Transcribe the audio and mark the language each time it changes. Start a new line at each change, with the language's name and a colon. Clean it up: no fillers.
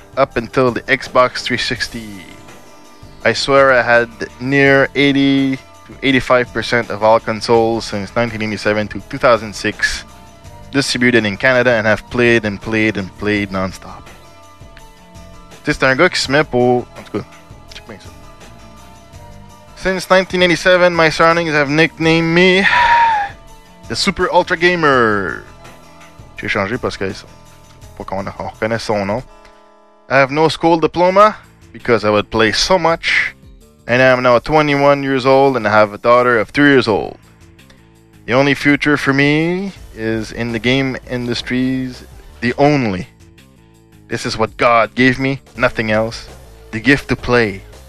English: up until the Xbox 360. I swear I had near 80 to 85% of all consoles since 1987 to 2006, distributed in Canada, and have played and played and played non-stop.
French: C'est un gars qui se met pour... En tout cas, check bien ça.
English: Since 1987, my surroundings have nicknamed me the Super Ultra Gamer.
French: J'ai changé parce que pas qu'on reconnaît son nom.
English: I have no school diploma because I would play so much, and I am now 21 years old and I have a daughter of 3 years old. The only future for me is in the game industries, the only. This is what God gave me, nothing else. The gift to play.